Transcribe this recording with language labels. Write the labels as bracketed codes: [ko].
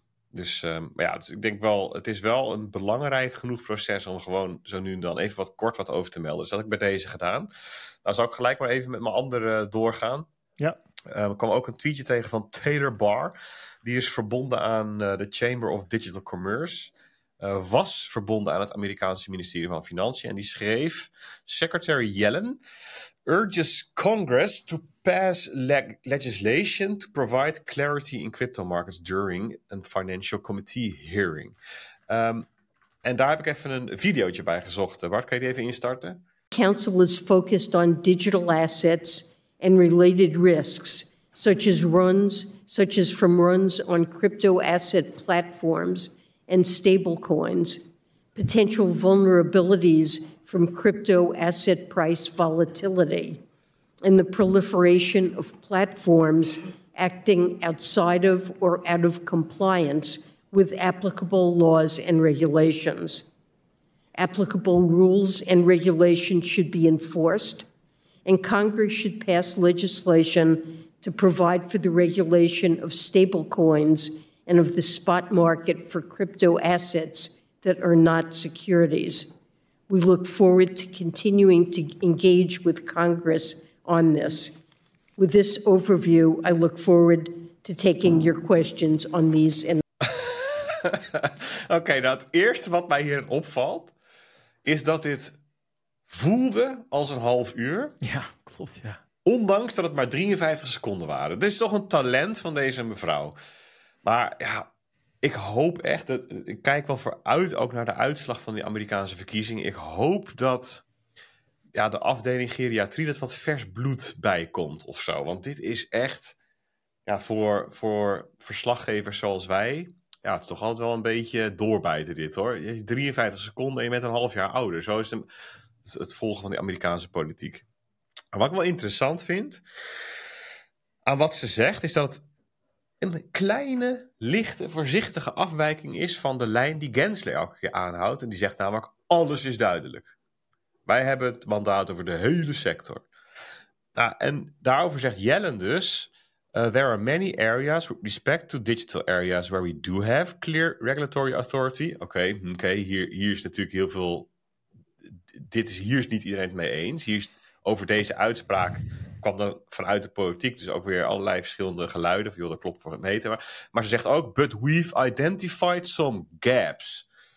[nl] Dus ik denk wel, het is wel een belangrijk genoeg proces om gewoon zo nu en dan even wat kort wat over te melden. Dus dat heb ik bij deze gedaan. Nou, zal ik gelijk maar even met mijn andere doorgaan. Ja. Ik kwam ook een tweetje tegen van Taylor Barr. Die is verbonden aan de Chamber of Digital Commerce. Was verbonden aan het Amerikaanse ministerie van Financiën. En die schreef, [en] Secretary Yellen urges Congress to pass legislation to provide clarity in crypto markets during a financial committee hearing. [nl] En daar heb ik even een videootje bij gezocht. Bart, kan je die even instarten? [en] Council is focused on digital assets and related risks, such as runs on crypto asset platforms and stablecoins, potential vulnerabilities from crypto asset price volatility, and the proliferation of platforms acting outside of or out of compliance with applicable laws and regulations. Applicable rules and regulations should be enforced, and Congress should pass legislation to provide for the regulation of stablecoins and of the spot market for crypto assets that are not securities. We look forward to continuing to engage with Congress on this. With this overview, I look forward to taking your questions on these. [nl] Okay, nou, het eerste wat mij hier opvalt, is dat dit voelde als een half uur. Ja, klopt, ja. Ondanks dat het maar 53 seconden waren. Dit is toch een talent van deze mevrouw. Maar ja, ik hoop echt, ik kijk wel vooruit ook naar de uitslag van die Amerikaanse verkiezingen. Ik hoop dat de afdeling geriatrie, dat wat vers bloed bijkomt of zo. Want dit is echt voor verslaggevers zoals wij, ja, het is toch altijd wel een beetje doorbijten dit hoor. Je hebt 53 seconden en je bent een half jaar ouder. Zo is het volgen van die Amerikaanse politiek. En wat ik wel interessant vind, aan wat ze zegt is dat het een kleine, lichte, voorzichtige afwijking is van de lijn die Gensler elke keer aanhoudt. En die zegt namelijk, alles is duidelijk. Wij hebben het mandaat over de hele sector. Nou, en daarover zegt Yellen dus, [en] there are many areas with respect to digital areas where we do have clear regulatory authority. [nl] Oké, hier is natuurlijk heel veel, hier is niet iedereen het mee eens. Hier is over deze uitspraak kwam dan vanuit de politiek dus ook weer allerlei verschillende geluiden. Van, joh, dat klopt voor het meten. Maar ze zegt ook, [en] but we've identified some gaps.